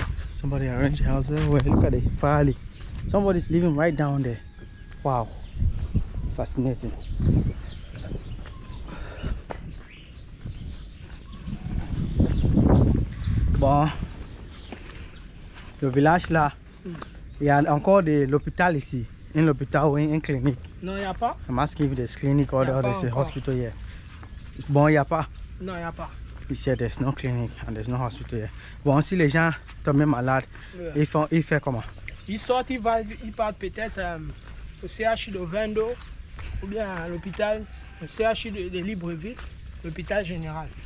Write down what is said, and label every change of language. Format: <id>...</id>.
<en>Somebody arrange a house. Wait, look at the valley. Somebody's living right down there. Wow. Fascinating.</en> <fr>Bon. Le village là, il y a encore de l'hôpital ici. Un hôpital ou une clinique. Non, il n'y a pas.</fr> <en>I'm asking if there's clinic or there's a hospital here.</en> <fr>Bon, il n'y a pas. Non, il n'y a pas. Ici, il n'y a pas de clinique et il n'y a pas d'hôpital. Bon, si les gens tombent malades, oui. ils font comment? Ils sortent, ils partent peut-être au CHU de Vendo ou bien à l'hôpital, au CHU de Libreville, l'hôpital général.</fr>